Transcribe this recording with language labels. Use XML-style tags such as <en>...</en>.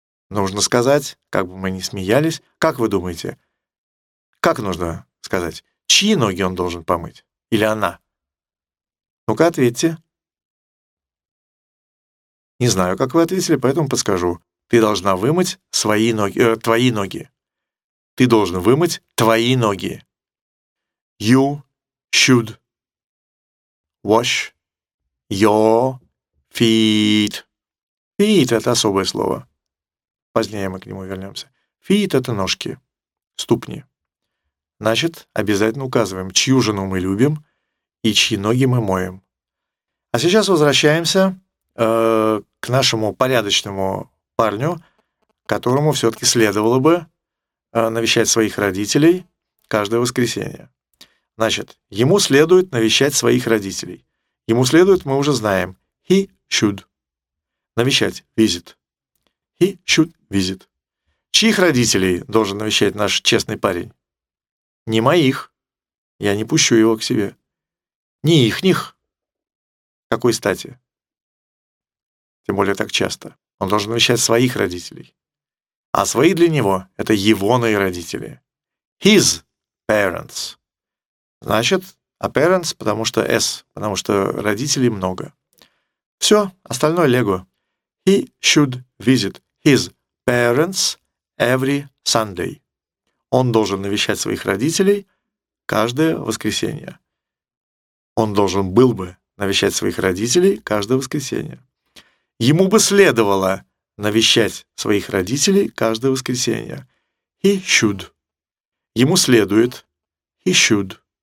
<ru>Нужно сказать, как бы мы ни смеялись, как вы думаете, как нужно сказать, чьи ноги он должен помыть или она? Ну-ка, ответьте. Не знаю, как вы ответили, поэтому подскажу. Ты должна вымыть свои ноги, твои ноги. Ты должен вымыть твои ноги.</ru> <en>You should wash your feet.</en> <ru>Feet — это особое слово. Позднее мы к нему вернемся. Feet — это ножки, ступни. Значит, обязательно указываем, чью жену мы любим и чьи ноги мы моем. А сейчас возвращаемся к нашему порядочному парню, которому все-таки следовало бы навещать своих родителей каждое воскресенье. Значит, ему следует навещать своих родителей. Ему следует, мы уже знаем,</ru> <en>he should</en> <ru>навещать, visit.</ru> <en>He should visit.</en> <ru>Чьих родителей должен навещать наш честный парень? Не моих. Я не пущу его к себе. Не ихних. Какой стати? Тем более так часто. Он должен навещать своих родителей. А свои для него — это егоные родители.</ru> <en>His parents.</en> <ru>Значит,</ru> <en>a parents,</en> <ru>потому что S, потому что родителей много. Все, остальное лего.</ru> <en>He should visit his parents every Sunday.</en> <ru>Он должен навещать своих родителей каждое воскресенье. Он должен был бы навещать своих родителей каждое воскресенье. Ему бы следовало навещать своих родителей каждое воскресенье.</ru> <en>He should.</en> <ru>Ему следует.</ru> <en>He should.</en>